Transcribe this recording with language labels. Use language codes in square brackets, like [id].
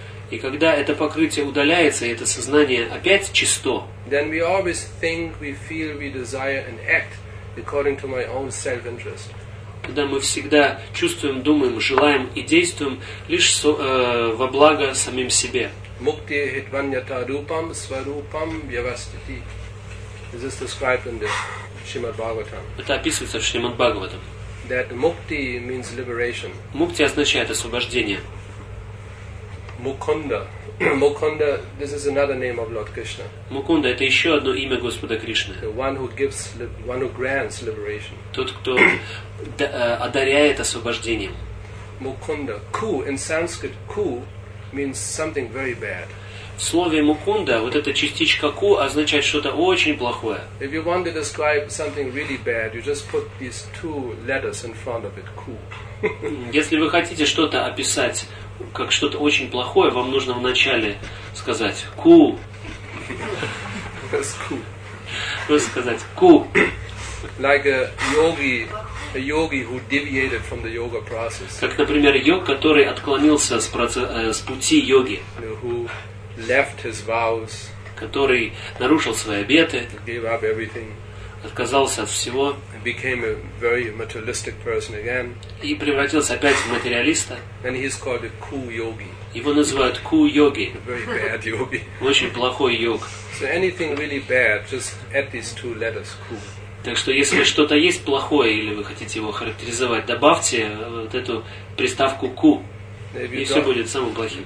[ru] И когда это покрытие удаляется, и это сознание опять чисто, [en] then we always think, we feel, we desire and act according to my own self-interest. [ru] Тогда мы всегда чувствуем, думаем, желаем и действуем лишь во благо самим себе. [sa] Mukti hitvanyata rupam svarupam vyavastiti. [en] This is described in the Shrimad Bhagavatam. [ru] Это описывается в Шримад Бхагаватам. [en] That mukti means liberation. [ru] Мукти означает освобождение. [en] Mukunda. Mukunda, this is another name of Lord Krishna. [ru] Mukunda — это еще одно имя Господа Кришны. [en] The one who gives, one who grants liberation. [ru] Тот, кто одаряет освобождением. [en] Mukunda. Ku in Sanskrit, ku means something very bad. [ru] В слове Mukunda вот эта частичка ku означает что-то очень плохое. [en] If you want to describe something really bad, you just put these two letters in front of it, ku. [ru] Если вы хотите что-то описать как что-то очень плохое, вам нужно вначале сказать ку. Просто сказать ку. [en] Like a yogi who deviated from the yoga process. [ru] Как, например, йог, который отклонился с пути йоги. [en] Who left his vows. [ru] Который нарушил свои обеты. [en] Gave up everything. [ru] Отказался от всего. [en] Became a very materialistic person again. [ru] И превратился опять в материалиста. [en] And he's called a cool yogi. [ru] Его называют [en] cool yogi. A very bad yogi. [ru] Очень плохой йог. [en] So anything really bad, just add these two letters, cool. [ru] Так что если что-то есть плохое или вы хотите его характеризовать, добавьте вот эту приставку ку, и все будет самым плохим.